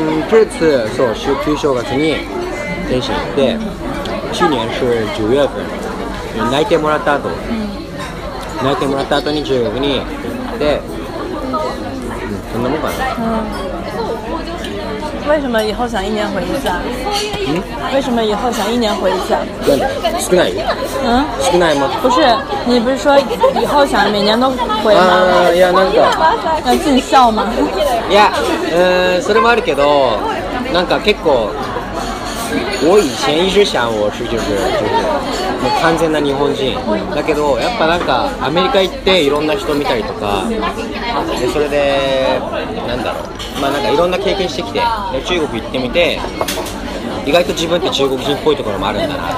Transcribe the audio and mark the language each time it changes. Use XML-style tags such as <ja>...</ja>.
<zh>这次</zh> <ja>そう、</ja> <zh>是</zh> <ja>旧正月に天津行って、</ja> <zh>去年是9月份、</zh> <ja>内定もらった後、内定もらった後に中国に行って、そんなもんかな。</ja> <zh>为什么以后想一年回一次啊？嗯？为什么以后想一年回一次啊？</zh> <ja>少ない？</ja> <zh>嗯？</zh> <ja>少ないも？</ja> <zh>不是，你不是说以后想每年都回吗？</zh> <ja>啊，いやなんか</ja> <zh>要尽孝吗？</zh> <ja>いや、それもあるけど、なんか結構</ja> <zh>我以前一直想我是就是</zh> <ja>もう完全な日本人だけど、やっぱなんかアメリカ行っていろんな人見たりとか、でそれでなんだろう、まあなんかいろんな経験してきて、で中国行ってみて、意外と自分って中国人っぽいところもあるんだな。</ja>